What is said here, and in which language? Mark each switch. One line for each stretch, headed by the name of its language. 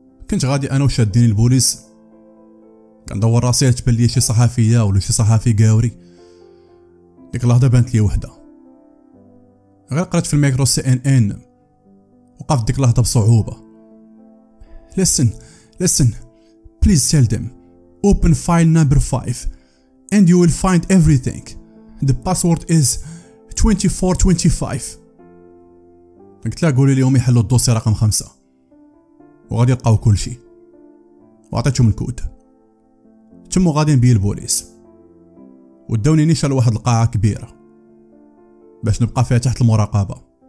Arabic: كنت غادي انا وشادين البوليس، كندور راسي تبان لي شي صحافية ولا شي صحافي قاوري. ديك اللحظة بانت لي وحدة، غير قرات في الميكرو سي ان ان، وقفت ديك اللحظة بصعوبة.
English: Listen, please tell them. Open file number 5 and you will find everything. The password is 2425.
Arabic: قلت لها قولي لهم يحلوا الدوسي رقم 5 وغادي يلقاو كل شيء. وعطيتهم الكود ثم غادي نبيه البوليس. وداوني نيشا لواحد القاعة كبيرة باش نبقى فيها تحت المراقبة.